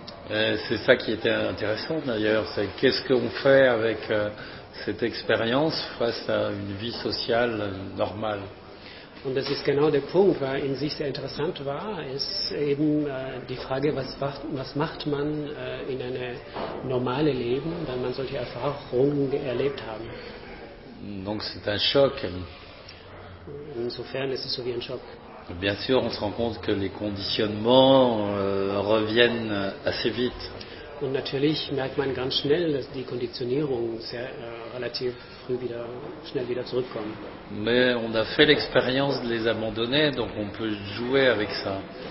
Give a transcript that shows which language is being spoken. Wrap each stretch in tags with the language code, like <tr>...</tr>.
<fr>Et c'est ça qui était intéressant d'ailleurs, c'est qu'est-ce qu'on fait avec cette expérience face à une vie sociale normale.</fr> <de>Und das ist genau der Punkt, weil in sich sehr interessant war, ist eben die Frage, was macht man in einem normalen Leben, wenn man solche Erfahrungen erlebt haben.</de> <fr>Donc c'est un choc.</fr> <de>Insofern ist es so wie ein Schock.</de> <fr>Bien sûr, on se rend compte que les conditionnements reviennent assez vite.</fr> <de>Und natürlich merkt man ganz schnell, dass die Konditionierung sehr relativ früh wieder schnell wieder zurückkommt.</de> <fr>Mais on a fait l'expérience de les abandonner, donc on peut jouer avec ça.</fr>